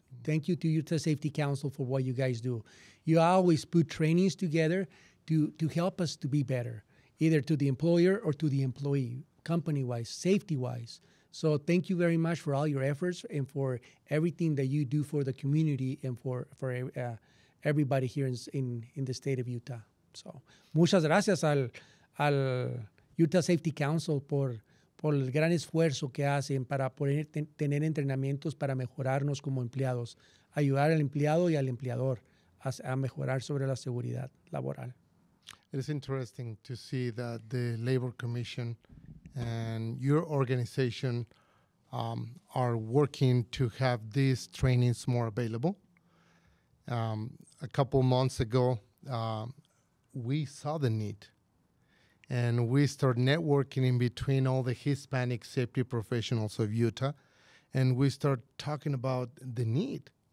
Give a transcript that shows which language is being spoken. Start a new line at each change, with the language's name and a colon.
English: Thank you to Utah Safety Council for what you guys do. You always put trainings together to help us to be better, either to the employer or to the employee, company-wise, safety-wise. So thank you very much for all your efforts and for everything that you do for the community and for everybody here in the state of Utah.
Spanish: So, muchas gracias al Utah Safety Council por el gran esfuerzo que hacen para poder tener entrenamientos para mejorarnos como empleados, ayudar al empleado y al empleador a mejorar sobre la seguridad laboral.
English: It is interesting to see that the Labor Commission and your organization are working to have these trainings more available. A couple months ago, we saw the need, and we started networking in between all the Hispanic safety professionals of Utah, and we started talking about the need.